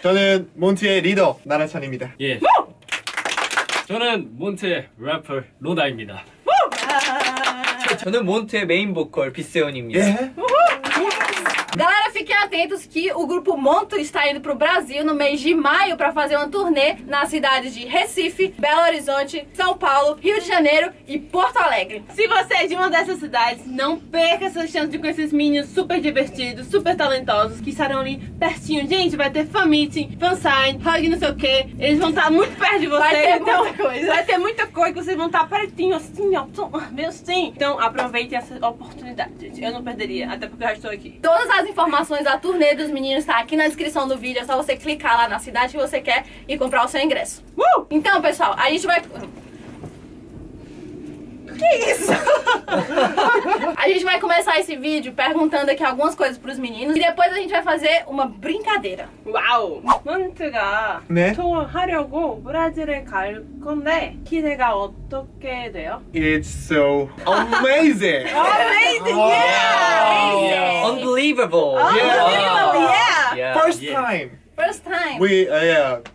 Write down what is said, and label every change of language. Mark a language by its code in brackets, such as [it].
[ko] 저는 몬티의 리더 나라찬입니다. 예. 저는 몬티의 래퍼 로다입니다. 저는 몬티의 메인 보컬 비세온입니다. 예. [pt] Galera, fiquem atentos que o grupo Monto está indo pro Brasil no mês de maio para fazer uma turnê nas cidades de Recife, Belo Horizonte, São Paulo, Rio de Janeiro e Porto Alegre. Se você é de uma dessas cidades, não perca essa chance de conhecer esses meninos super divertidos, super talentosos que estarão ali pertinho. Gente, vai ter fan meeting, fan sign, hug não sei o que. Eles vão estar muito perto de você. Vai ter então, muita coisa. Vai ter muita coisa que vocês vão estar pertinho assim, ó. Meu sim. Então aproveitem essa oportunidade, gente. Eu não perderia, até porque eu já estou aqui. Todas as informações da turnê dos meninos tá aqui na descrição do vídeo, é só você clicar lá na cidade que você quer e comprar o seu ingresso. Então, pessoal, a gente vai... Que isso? A gente vai começar esse vídeo perguntando aqui algumas coisas pros meninos e depois a gente vai fazer uma brincadeira. Uau! [ko] Monte가 네? 투어하려고 브라질에 갈 건데 기대가 어떻게 돼요? [en] It's so amazing! Amazing! Wow. Yeah. Yeah! Unbelievable! Unbelievable! Yeah! Yeah. First yeah. time! First time! We, yeah.